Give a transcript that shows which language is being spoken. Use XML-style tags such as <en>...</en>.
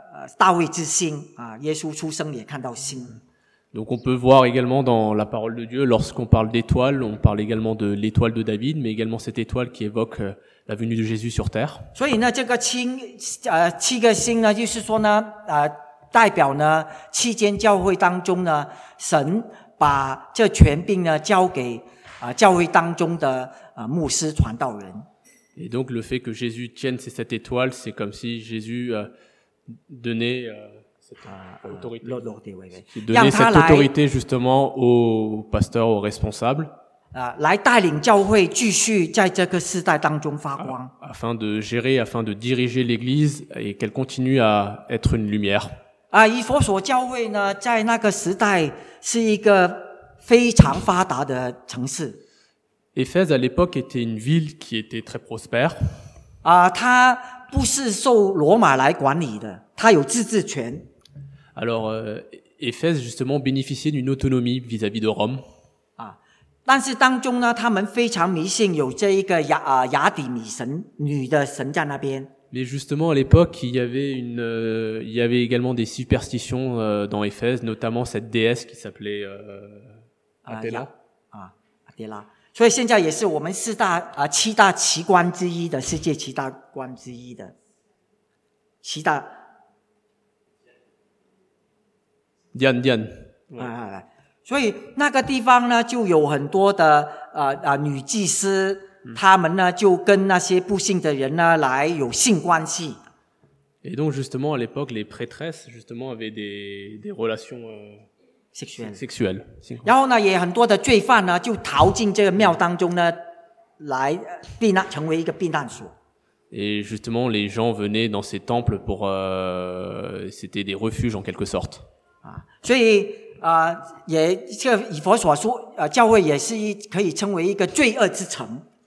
<zh>圣经时常说呢，星呢就是很重要，就是也称呢大卫呢大卫是大卫之星啊，耶稣出生也看到星。</zh> <fr>Donc on peut voir également dans la parole de Dieu, lorsqu'on parle d'étoiles, on parle également de l'étoile de David, mais également cette étoile qui évoque la venue de Jésus sur terre.</fr> <zh>所以呢，这个七个星呢，就是说呢，代表呢七间教会当中呢，神把这权柄呢交给教会当中的牧师传道人。</zh> <fr>Et donc le fait que Jésus tienne ces sept étoiles, c'est comme si Jésus donnait cette autorité justement aux pasteurs, aux responsables.</fr> <zh>来带领教会继续在这个世代当中发光。</zh> <fr>Afin de diriger l'Église et qu'elle continue à être une lumière.</fr> <zh>以弗所教会呢，在那个时代是一个非常发达的城市。</zh> <fr>Éphèse à l'époque était une ville qui était très prospère.</fr> <zh>啊，它不是受罗马来管理的，它有自治权。</zh> <fr>Alors, Éphèse justement bénéficiait d'une autonomie vis-à-vis de Rome.</fr> <zh>啊，但是当中呢，他们非常迷信有这一个雅啊雅典女神女的神在那边。</zh> <fr>Mais justement, à l'époque, il y avait également des superstitions dans Éphèse, notamment cette déesse qui s'appelait Athéna. Athéna.</fr> <zh>所以现在也是我们四大啊七大奇观之一的世界七大观之一的七大。 Dian. 所以那个地方呢，就有很多的女祭司。他们呢就跟那些不信的人呢来有性关系。</zh> <fr>Et donc justement à l'époque les prêtresses justement avaient des relations sexuelles.</fr> <zh>然后呢也很多的罪犯呢就逃进这个庙当中呢来避难成为一个避难所。</zh> <fr>Et justement les gens venaient dans ces temples pour c'était des refuges en quelque sorte.</fr> <zh>所以也这个以佛所说教会也是可以称为一个罪恶之城。</zh>